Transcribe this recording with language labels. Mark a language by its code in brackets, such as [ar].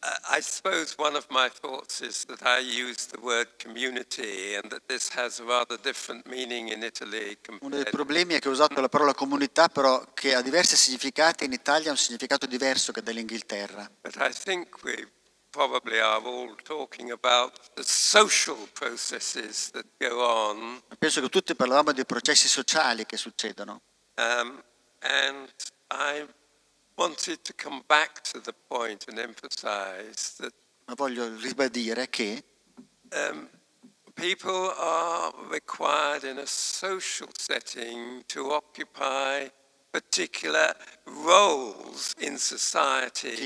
[en] I suppose one of my thoughts is that I use the word community and that this has a rather different meaning in Italy. [it] Uno dei problemi è che ho usato la parola comunità, però che ha diversi significati in Italia, ha un significato diverso che dell'Inghilterra. [en] But I think we probably are all talking about the social processes that go on. [it] Penso che tutti parlavamo dei processi sociali che succedono. [en] And I wanted to come back to the point and emphasize that [it] ma voglio ribadire che [en] people are required in a social setting to occupy particular roles in society.